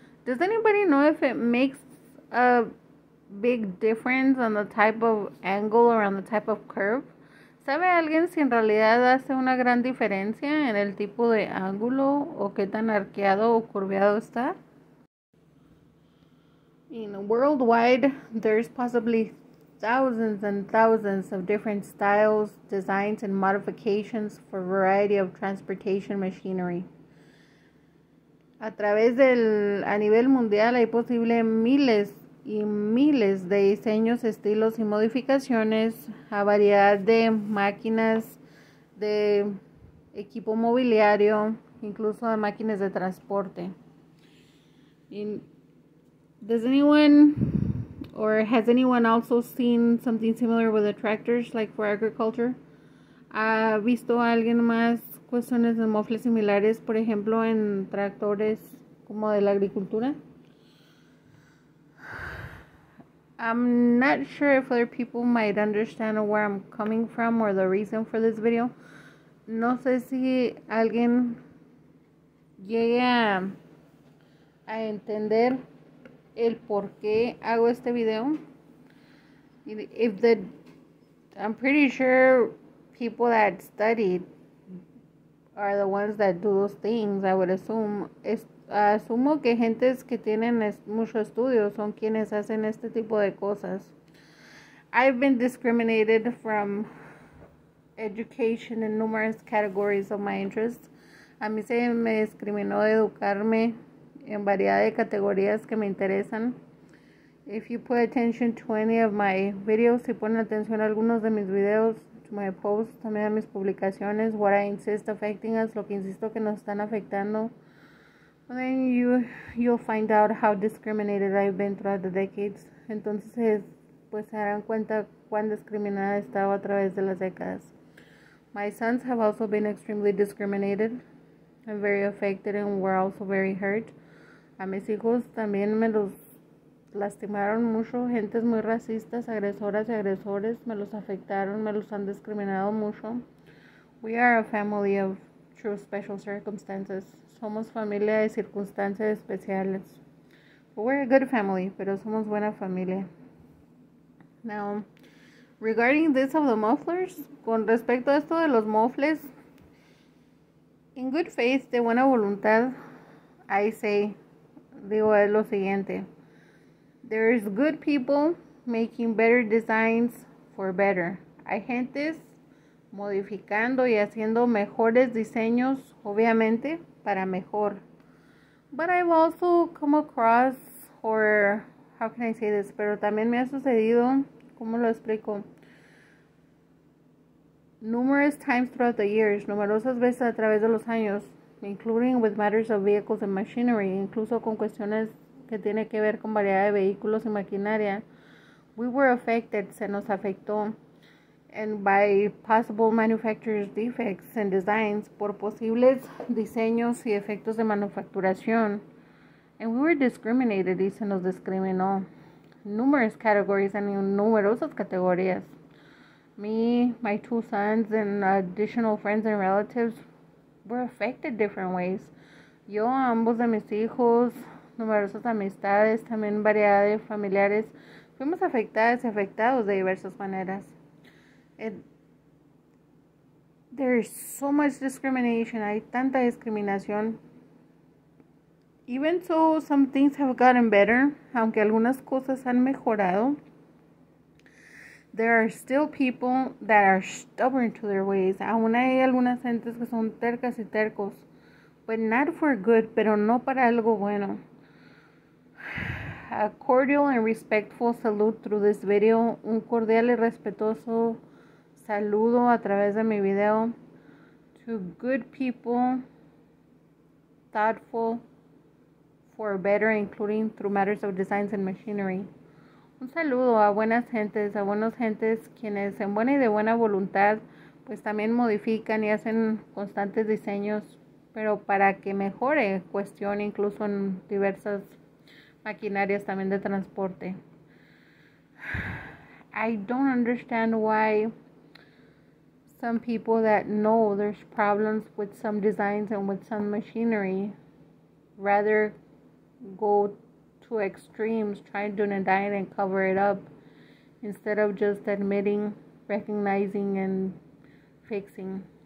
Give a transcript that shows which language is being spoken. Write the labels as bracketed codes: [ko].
[en] Does anybody know if it makes a big difference on the type of angle or on the type of curve? [es] ¿Sabe alguien si en realidad hace una gran diferencia en el tipo de ángulo o qué tan arqueado o curveado está? [en] In worldwide, there's possibly thousands and thousands of different styles, designs, and modifications for a variety of transportation machinery. [es] A nivel mundial hay posible miles y miles de diseños, estilos y modificaciones a variedad de máquinas, de equipo mobiliario, incluso a máquinas de transporte. [en] Does anyone or has anyone also seen something similar with the tractors, like for agriculture? [es] ¿Ha visto a alguien más cuestiones de mofles similares, por ejemplo, en tractores como de la agricultura? [en] I'm not sure if other people might understand where I'm coming from or the reason for this video. [es] No sé si alguien llegue a entender el por qué hago este video. [en] I'm pretty sure people that studied are the ones that do those things, I would assume. [es] Asumo que gentes que tienen mucho estudio son quienes hacen este tipo de cosas. [en] I've been discriminated from education in numerous categories of my interests. [es] A mí se me discriminó de educarme en variedad de categorías que me interesan. [en] If you put attention to any of my videos, [es] si ponen atención a algunos de mis videos, [en] my posts, [es] también a mis publicaciones, [en] what I insist affecting us, [es] lo que insisto que nos están afectando, [en] then you'll find out how discriminated I've been throughout the decades. [es] Entonces, pues se darán cuenta cuán discriminada he estado a través de las décadas. [en] My sons have also been extremely discriminated and very affected and were also very hurt. [es] A mis hijos también me los lastimaron mucho, gentes muy racistas, agresoras y agresores, me los afectaron, me los han discriminado mucho. [en] We are a family of true special circumstances. [es] Somos familia de circunstancias especiales. [en] We're a good family, [es] pero somos buena familia. [en] Now, regarding this of the mufflers, [es] con respecto a esto de los mofles, [en] in good faith, [es] de buena voluntad, [en] I say, [es] digo, es lo siguiente. [en] There is good people making better designs for better. [es] Hay gentes modificando y haciendo mejores diseños, obviamente, para mejor. [en] But I've also come across, or how can I say this? [es] Pero también me ha sucedido, ¿cómo lo explico? [en] Numerous times throughout the years, [es] numerosas veces a través de los años, [en] including with matters of vehicles and machinery, [es] incluso con cuestiones que tiene que ver con variedad de vehículos y maquinaria. [en] We were affected, [es] se nos afectó, [en] and by possible manufacturers' defects and designs, [es] por posibles diseños y efectos de manufacturación. [en] And we were discriminated, [es] y se nos discriminó. [en] Numerous categories and [es] numerosas categorías. [en] Me, my two sons, and additional friends and relatives were affected different ways. [es] Yo, ambos de mis hijos, numerosas amistades, también variedad de familiares, fuimos afectadas y afectados de diversas maneras. [en] There is so much discrimination, [es] hay tanta discriminación. [en] Even so, some things have gotten better, [es] aunque algunas cosas han mejorado. [en] There are still people that are stubborn to their ways, [es] aún hay algunas gentes que son tercas y tercos, [en] but not for good, [es] pero no para algo bueno. [en] A cordial and respectful salute through this video, [es] un cordial y respetuoso saludo a través de mi video [en] to good people, thoughtful for better, including through matters of designs and machinery. [es] Un saludo a buenas gentes, a buenas gentes quienes en buena y de buena voluntad, pues también modifican y hacen constantes diseños, pero para que mejore cuestión incluso en diversas maquinarias también de transporte. [en] I don't understand why some people that know there's problems with some designs and with some machinery rather go to extremes trying to deny it and cover it up instead of just admitting, recognizing, and fixing.